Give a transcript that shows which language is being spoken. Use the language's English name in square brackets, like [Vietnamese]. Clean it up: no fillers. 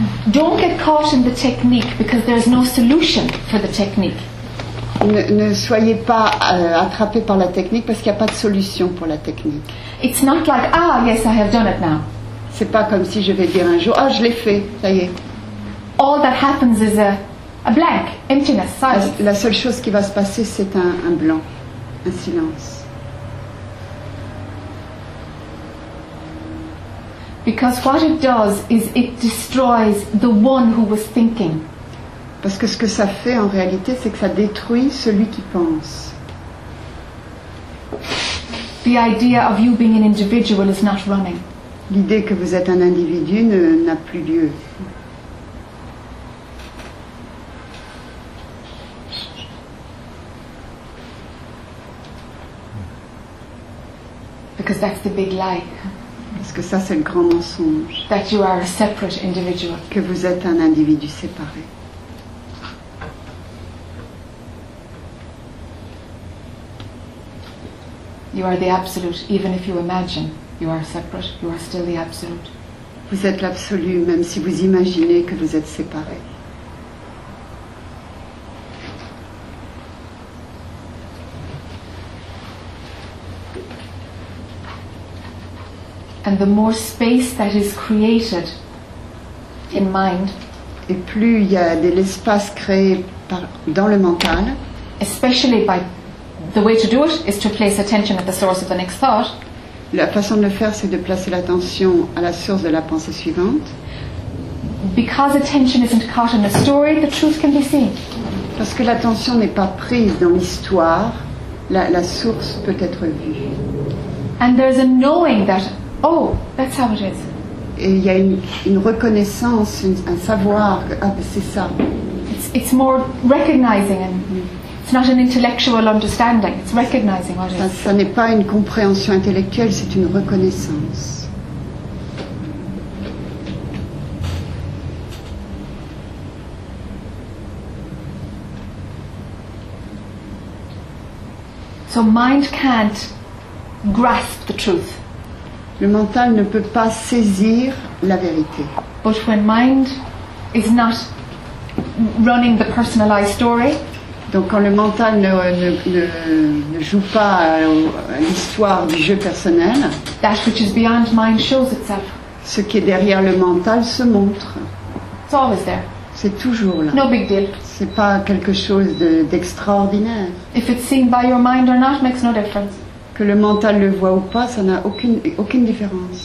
[English] Don't get caught in the technique because there's no solution for the technique. [French] Ne soyez pas attrapé par la technique parce qu'il y a pas de solution pour la technique. [English] It's not like yes, I have done it now. [French] C'est pas comme si je vais dire un jour je l'ai fait, ça y est. [English] All that happens is a blank, emptiness, silence. [French] La seule chose qui va se passer, c'est un blanc, un silence. [English] Because what it does is it destroys the one who was thinking. [French] Parce que ce que ça fait en réalité, c'est que ça détruit celui qui pense. [English] The idea of you being an individual is not running. [French] L'idée que vous êtes un individu n'a plus lieu. [English] Because that's the big lie. [French] Parce que ça, c'est le grand mensonge. [English] That you are a separate individual. [French] Que vous êtes un individu séparé. [English] You are the absolute, even if you imagine you are separate, you are still the absolute. [French] Vous êtes l'absolu, même si vous imaginez que vous êtes séparé. [English] And the more space that is created in mind, [French] et plus il y a de l'espace créé dans le mental, [English] especially by the way to do it is to place attention at the source of the next thought. [French] La façon de le faire, c'est de placer l'attention à la source de la pensée suivante. [English] Because attention isn't caught in the story, the truth can be seen. [French] Parce que l'attention n'est pas prise dans l'histoire, la source peut être vue. [English] And there's a knowing that. Oh, that's how it is. [French] Et il y a une reconnaissance, un savoir. Ah, c'est ça. [English] It's more recognizing. And it's not an intellectual understanding. It's recognizing what it is. [French] Ça n'est pas une compréhension intellectuelle. C'est une reconnaissance. [English] So mind can't grasp the truth. [French] Le mental ne peut pas saisir la vérité. [English] But when mind is not running the personalized story, [French] donc quand le mental ne joue pas l'histoire du jeu personnel, [English] that which is beyond mind shows itself. [French] Ce qui est derrière le mental se montre. [English] It's always there. [French] C'est toujours là. [English] No big deal. [French] C'est pas quelque chose d'extraordinaire. [English] If it's seen by your mind or not makes no difference. [French] Que le mental le voit ou pas, ça n'a aucune différence.